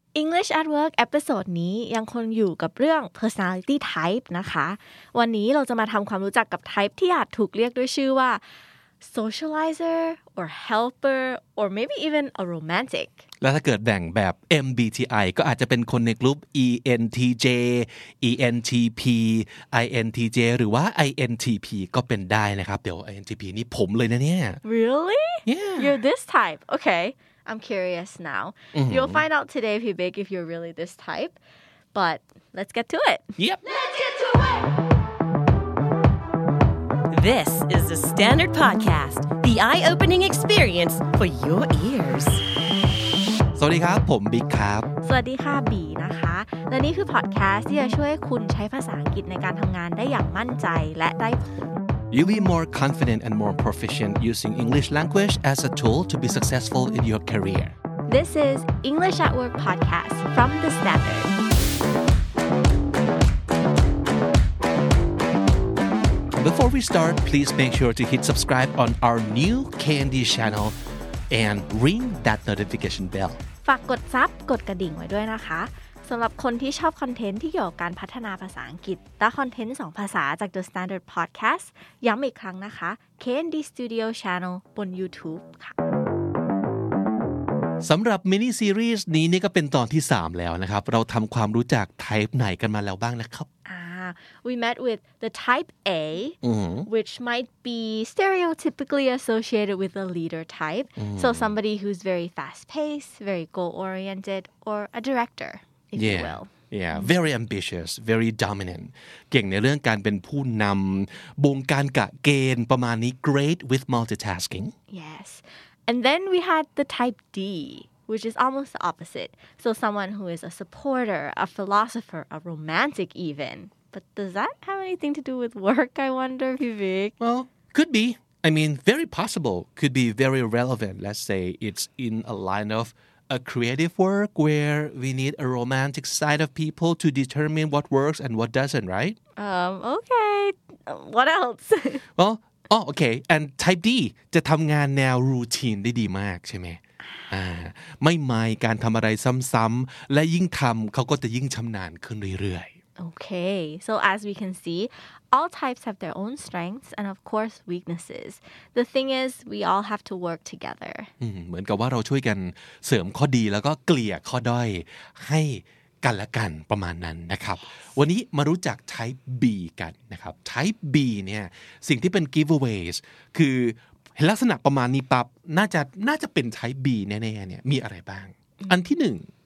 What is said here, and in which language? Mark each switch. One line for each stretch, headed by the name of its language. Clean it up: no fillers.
Thai: English at Work episode นี้ยังคงอยู่กับเรื่อง personality type นะคะวันนี้เราจะมาทำความรู้จักกับ type ที่อาจถูกเรียกด้วยชื่อว่า
English: socializer or helper or maybe even a romantic
Thai: แล้วถ้าเกิดแบ่งแบบ MBTI ก็อาจจะเป็นคนในกลุ่ม ENTJ ENTP INTJ หรือว่า INTP ก็เป็นได้นะครับเดี๋ยว INTP นี่ผมเลยนะเนี่ย
English: Really? Yeah You're this type okayI'm curious now. Mm-hmm. You'll find out today, Pibig, if you're really this type. But let's get to it. Yep. Let's get to it! This is the Standard Podcast, the eye-opening experience for your ears.
Thai: สวัสดีครับผมบิ๊กครับ สวัสดีค่ะบีนะคะและนี่คือพอดแคสต์ที่จะช่วยคุณใช้ภาษาอังกฤษในการทำงานได้อย่างมั่นใจและได้ผล
English: You'll be more confident and more proficient using English language as a tool to be successful in your career. This is English at Work podcast from The Standard. Before we start, please make sure to hit subscribe on our new Candy channel and ring that notification bell.
Thai: ฝากกดซับกดกระดิ่งไว้ด้วยนะคะสำหรับคนที่ชอบคอนเทนต์ที่เกี่ยวกับการพัฒนาภาษาอังกฤษและคอนเทนต์สองภาษาจาก The Standard Podcast ย้ำอีกครั้งนะคะ KND Studio Channel บน YouTube ค่ะ สำหรับมินิซีรีส์นี้นี่ก็เป็นตอนที่3แล้วนะครับเราทำความรู้จักไทป์ไหนกันมาแล้วบ้างนะครับ
English: We met with the type A which might be stereotypically associated with a leader type so somebody who's very fast paced very goal oriented or a directorIf yeah, you will. Yeah, very ambitious, very dominant.
Thai: เก่งในเรื่องการเป็นผู้นำบงการกะเกณฑ์ประมาณนี้
English: great with multitasking. Yes. And then we had the type D, which is almost the opposite. So someone who is a supporter, a philosopher, a romantic even. But does that have anything to do with work, I wonder, Vivek? Well, could be. I mean, very possible. Could be very relevant. Let's say it's in a line ofA creative work where we need a romantic side of people to determine what works and what doesn't, right? Okay. What else? Well, oh, okay.
Thai: And type D จะทำงานแนว routine ได้ดีมากใช่ไหมไม่การทำอะไรซ้ำๆและยิ่งทำเขาก็จะยิ่งชำนาญขึ้นเรื่อย
English: ๆ Okay. So as we can see, all types have their own strengths and of course weaknesses. The thing is, we all have to work together.
Thai: เหมือนกับว่าเราช่วยกันเสริมข้อดีแล้วก็เกลี่ยข้อด้อยให้กันและกันประมาณนั้นนะครับ
English: yes.
Thai: วันนี้มารู้จัก type B กันนะครับ type B เนี่ยสิ่งที่เป็น giveaways คือลักษณะประมาณนี้ปั๊บน่าจะเป็น type B แน่ๆเนี่ยมีอะไรบ้าง อันที่หนึ่ง